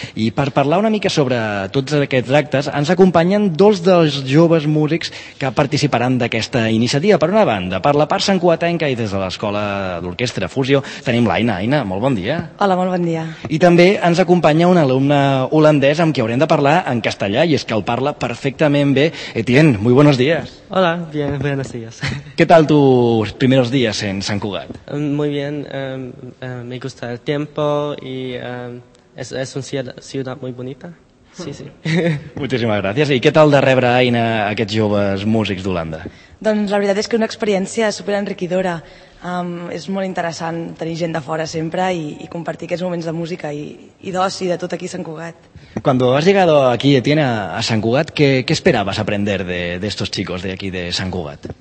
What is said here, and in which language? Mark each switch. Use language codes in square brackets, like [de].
[ca] I per parlar una mica sobre tots aquests actes, ens acompanyen dos dels joves músics que participaran d'aquesta iniciativa. Per una banda, per la part santcugatenca i des de l'escola d'orquestra Fusió, tenim l'Aina. Aina, molt bon dia. Hola, molt bon dia. I també ens acompanya un alumne holandès amb qui haurem de parlar en castellà, i és que el parla perfectament bé. [es] Etienne, muy buenos días. Hola, bien, buenos días. ¿Qué tal tus primeros días en Sant Cugat? Muy bien, me gusta el tiempo y es una ciudad muy bonita. Sí, sí. [ca] Moltíssimes gràcies. I què tal de rebre, Aina, aquests joves músics d'Holanda? Doncs la veritat és que una experiència super enriquidora. És molt interessant tenir gent de fora sempre i compartir aquests moments de música i d'oci de tot aquí a Sant Cugat. Quan has llegat aquí, Etienne, a Sant Cugat, què esperaves aprender d'estos chicos d'aquí de Sant Cugat?